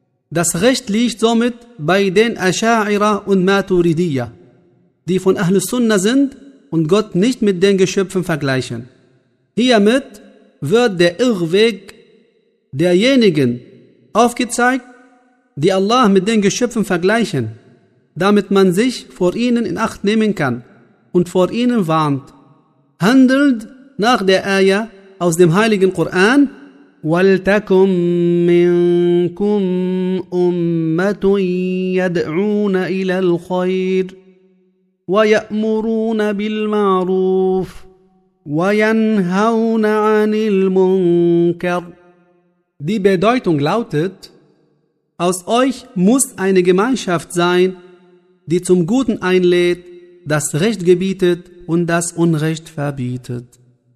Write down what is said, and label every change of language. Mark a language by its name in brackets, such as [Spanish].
[German] Das Recht liegt somit bei den Asha'ira und Maturidiyya, die von Ahlus Sunna sind und Gott nicht mit den Geschöpfen vergleichen. Hiermit wird der Irrweg derjenigen aufgezeigt, die Allah mit den Geschöpfen vergleichen, damit man sich vor ihnen in Acht nehmen kann und vor ihnen warnt. Handelt nach der Aya aus dem Heiligen Koran, [Arabic] وَلْتَكُمْ مِنْكُمْ أُمَّةٌ يَدْعُونَ إِلَى الْخَيْرِ وَيَأْمُرُونَ بِالْمَعْرُوفِ وَيَنْهَوْنَ عَنِ الْمُنْكَرِ. [German] Die Bedeutung lautet: Aus euch muss eine Gemeinschaft sein, die zum Guten einlädt, das Recht gebietet und das Unrecht verbietet.